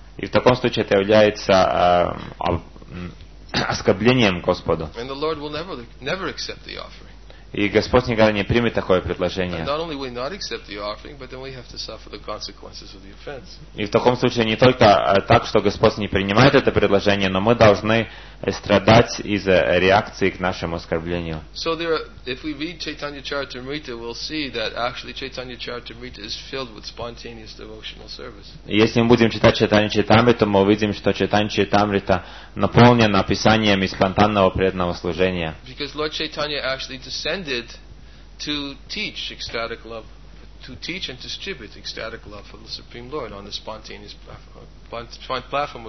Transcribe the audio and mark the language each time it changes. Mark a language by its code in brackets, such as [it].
[ru] И в таком случае это является оскорблением Господу. [en] And the Lord will never accept the offering. [ru] И Господь никогда не примет такое предложение. [en] Not only will not accept the offering, but then we have to suffer the consequences of the offense. [ru] И в таком случае не только так, что Господь не принимает это предложение, но мы должны страдать из-за реакции к нашему оскорблению. [en] So there are, if we read Chaitanya Charitamrita, we'll see that actually Chaitanya Charitamrita is filled with spontaneous devotional service. [ru] Если мы будем читать Чайтанью Чаритамриту, мы увидим, что Чайтанья Чаритамрита наполнена описаниями спонтанного преданного служения. [en] Because Lord Chaitanya actually descended to teach ecstatic love, to teach and distribute ecstatic love for the Supreme Lord on the spontaneous platform.